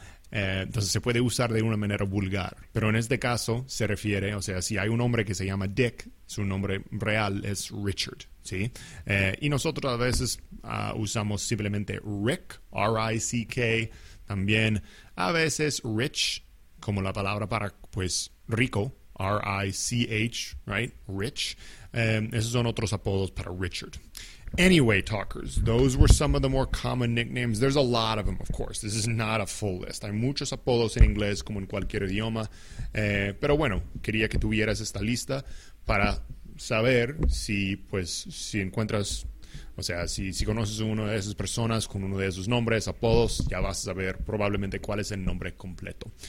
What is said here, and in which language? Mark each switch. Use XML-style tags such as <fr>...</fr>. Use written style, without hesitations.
<es>Entonces se puede usar de una manera vulgar. Pero en este caso se refiere, o sea, si hay un hombre que se llama Dick, su nombre real es Richard, ¿sí? Y nosotros a veces usamos simplemente Rick, R-I-C-K. También a veces Rich, como la palabra para, pues, rico, R-I-C-H, right? Rich. Esos son otros apodos para Richard.</es> <en>Anyway, talkers, those were some of the more common nicknames. There's a lot of them, of course. This is not a full list.</en> <es>Hay muchos apodos en inglés, como en cualquier idioma. Pero bueno, quería que tuvieras esta lista para saber si, pues, si encuentras, o sea, si conoces a una de esas personas con uno de esos nombres, apodos, ya vas a saber probablemente cuál es el nombre completo.</es>